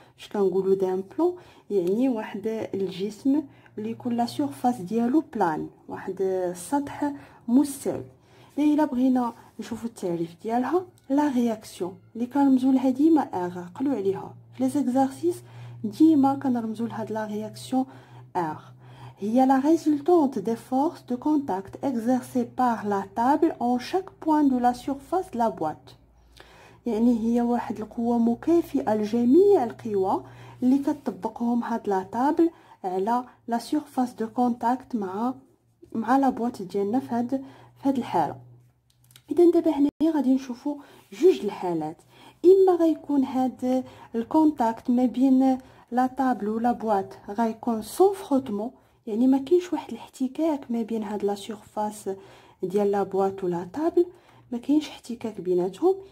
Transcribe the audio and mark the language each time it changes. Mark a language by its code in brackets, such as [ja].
[ar] اش كنقولوا دان بلون؟ يعني واحد الجسم اللي يكون لا سيرفاس ديالو بلان، واحد السطح مستوي. الا بغينا نشوفوا التعريف ديالها، لا رياكسيون اللي كنرمزوا لها ديما ار، عقلوا عليها في لي زيكزارسيس ديما كنرمزوا لهاد لا رياكسيون R. هي [fr] la résultante des forces de contact exercées par la table en chaque point de la surface de la boîte. [ar] يعني هي واحد القوة مكافئة لجميع القوى اللي كتطبقهم هاد لا طابل على لا سيرفاس دو كونتاكت مع لا بواط ديالنا في هاد الحالة. اذا دابا هنايا غادي نشوفوا جوج الحالات، اما غيكون هاد الكونتاكت ما بين لا طابل ولا بواط غيكون سون فروتمون، يعني ما كاينش واحد الاحتكاك ما بين هاد لا سيرفاس ديال لا بواط ولا طابل، ما كاينش احتكاك بيناتهم.